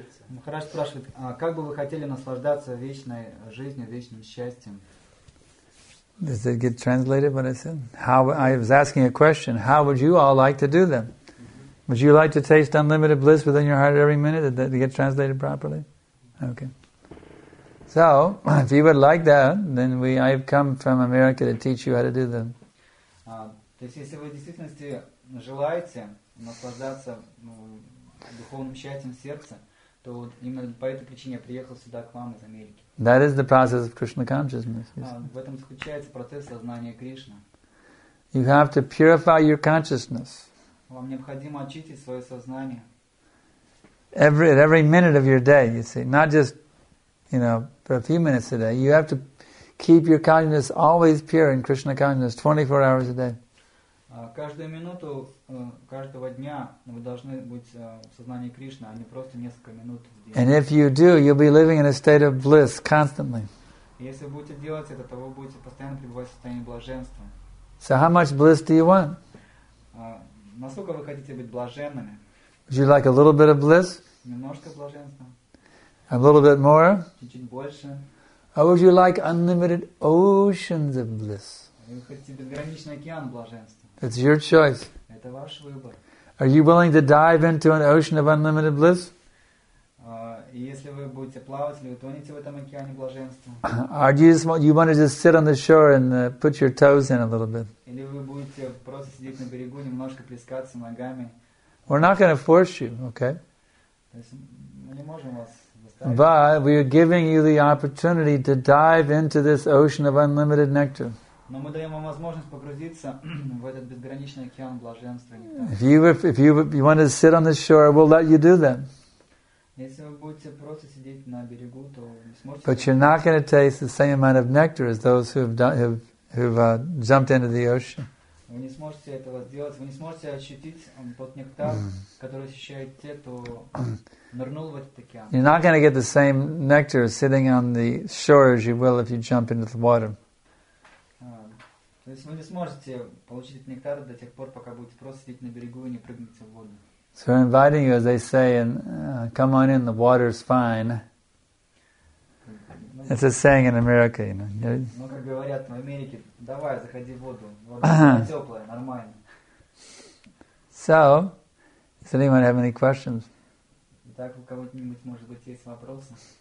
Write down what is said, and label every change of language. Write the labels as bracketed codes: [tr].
[ru] Махарадж спрашивает, как бы вы хотели наслаждаться вечной жизнью, вечным счастьем? [en] Does it get translated what I said? How I was asking a question. How would you all like to do that? Would you like to taste unlimited bliss within your heart every minute? Did that get translated properly? Okay. So, if you would like that, then I've come from America to teach you how to do that. [ru] То есть, если вы в действительности желаете наслаждаться духовным счастьем сердца, то вот именно по этой причине я приехал сюда к вам из Америки. [en] That is the process of Krishna consciousness. [ru] В этом заключается процесс сознания Кришны. [en] You have to purify your consciousness. [ru] Вам необходимо очистить свое сознание. [en] Every minute of your day, you see, not just for a few minutes a day. You have to keep your consciousness always pure in Krishna consciousness 24 hours a day. [ru] Каждую минуту каждого дня вы должны быть в сознании Кришны, а не просто несколько минут в день. [en] And if you do, you'll be living in a state of bliss constantly. [ru] Если будете делать это, то вы будете постоянно пребывать в состоянии блаженства. [en] So how much bliss do you want? [ru] Насколько вы хотите быть блаженными? [en] Would you like a little bit of bliss? [ru] Немножко блаженства. [en] A little bit more? [ru] Чуть-чуть больше. [en] Or would you like unlimited oceans of bliss? [ru] Вы хотите безграничный океан блаженства? [en] It's your choice. [ru] Это ваш выбор. [en] Are you willing to dive into an ocean of unlimited bliss? [ru] Если вы будете плавать или утонете в этом океане блаженства. [en] Are you want to just sit on the shore and put your toes in a little bit? [ru] Или вы будете просто сидеть на берегу, немножко плескаться ногами. [en] We're not going to force you, okay? [ru] То есть мы не можем вас заставить. [en] But we are giving you the opportunity to dive into this ocean of unlimited nectar. [ru] Но мы даем вам возможность погрузиться в этот безграничный океан блаженства. [en] If you want to sit on the shore, we'll let you do that. [ru] Если вы будете просто сидеть на берегу, то не сможете. [en] But you're not going to taste the same amount of nectar as those who've jumped into the ocean. [ru] Вы не сможете этого сделать. Вы не сможете ощутить тот нектар, который ощущают те, кто нырнул в этот океан. [en] You're not going to get the same nectar sitting on the shore as you will if you jump into the water. [ru] То есть вы не сможете получить этот нектар до тех пор, пока будете просто сидеть на берегу и не прыгнете в воду. [en] So we're inviting you, as they say, and come on in, the water's fine. It's a saying in America, you know. [ru] Ну, как говорят в Америке, давай, заходи в воду. Вода теплая, нормально. [en] So, does anyone have any questions? [ru] Так, у кого-нибудь, может быть, есть вопросы?